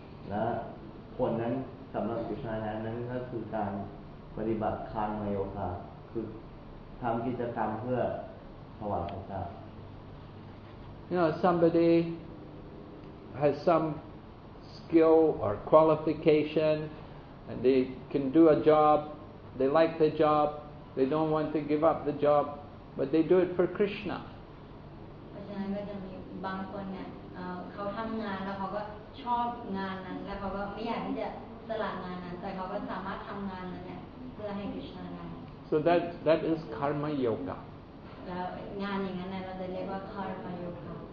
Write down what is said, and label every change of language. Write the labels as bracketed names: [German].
[Thai] และผลนั้นสำหรับกิจการนั้นก็คือการปฏิบัติคานโยคะคือทำกิจกรรมเพื่อถวายพระเจ้า [English] You know, somebody has some skill or qualification and they can do a job, they like the job, they don't want to give up the job, but they do it for Krishna. [Thai] เพราะฉะนั้นก็จะมีบางคนเนี่ยเขาทำงานแล้วเขาก็ชอบงานนั้นแล้วเขาก็ไม่อยากที่จะสละงานนั้นแต่เขาก็สามารถทำงานนั้นเพื่อให้ Krishna ได้ [English] So that is karma yoga. [Thai] แล้วงานอย่างนั้นเราจะเรียกว่า karma yoga.